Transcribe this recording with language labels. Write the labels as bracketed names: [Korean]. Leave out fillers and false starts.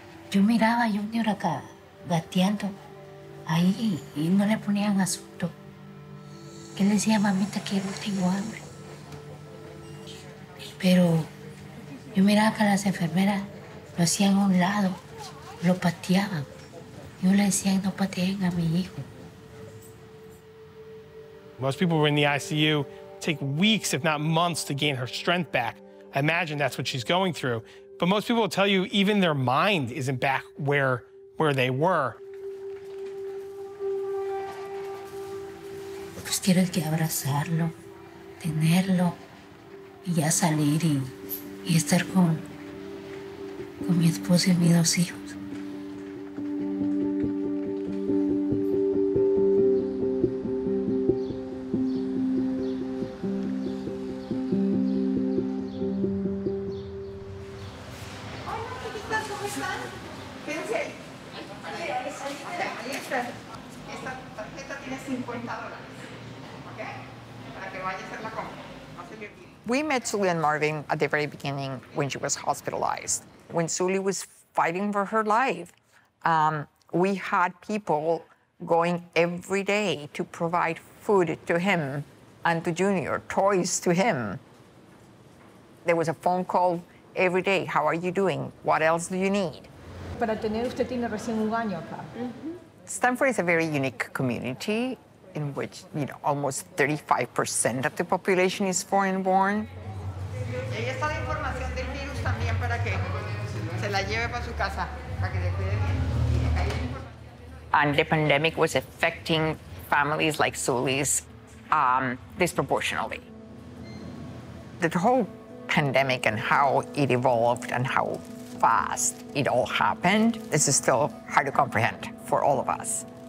[Spanish] Yo miraba a Junior acá, gateando, ahí, y no le ponían asunto. Que le decía, mamita, que no tengo hambre. Pero yo miraba acá a las enfermeras, lo hacían a un lado, lo pateaban. Yo le decía, no pateen a mi hijo. [English] Most people who are in the ICU take weeks, if not months, to gain her strength back. I imagine that's what she's going through. But most people will tell you even their mind isn't back where they were. [Spanish] Pues quiero que abrazarlo, tenerlo, y ya salir y estar con mi esposo y mis dos hijos. Esta tarjeta tienes $50, okay? Para que vayas a hacer la compra. [English] We met Sully and Marvin at the very beginning when she was hospitalized, when Sully was fighting for her life. We had people going every day to provide food to him and to Junior, toys to him. There was a phone call every day. How are you doing? What else do you need? [Spanish] Para tener usted tiene recién un año acá. [English] Stanford is a very unique community in which, you know, almost 35% of the population is foreign-born. [Spanish] Ella está la información del virus también para que se la lleve para su casa, para que le cuide bien. [English] And the pandemic was affecting families like Sully's disproportionately. The whole pandemic and how it evolved and how fast it all happened, this is still hard to comprehend for all of us.